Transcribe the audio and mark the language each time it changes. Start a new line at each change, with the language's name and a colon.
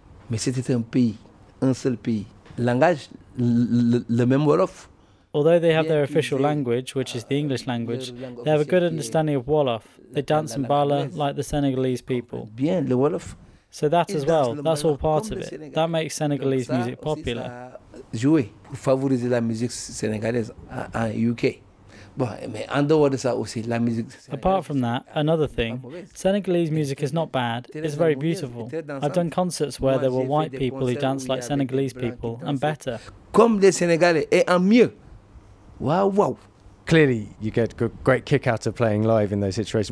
French: Mais c'était un pays, un seul pays. Langage, le même Wolof.
English: Although they have their official language, which is the English language, they have a good understanding of Wolof. They dance and bala like the Senegalese people.
French: Bien, le Wolof.
English: So that as well, that's all part of it. That makes Senegalese music popular.
French: Jouer pour favoriser la musique sénégalaise en UK.
English: Apart from that, another thing, Senegalese music is not bad, it's very beautiful. I've done concerts where there were white people who danced like Senegalese people, and better.
French: Comme les Sénégalais, et en mieux. Wow.
English: Clearly, you get a great kick out of playing live in those situations.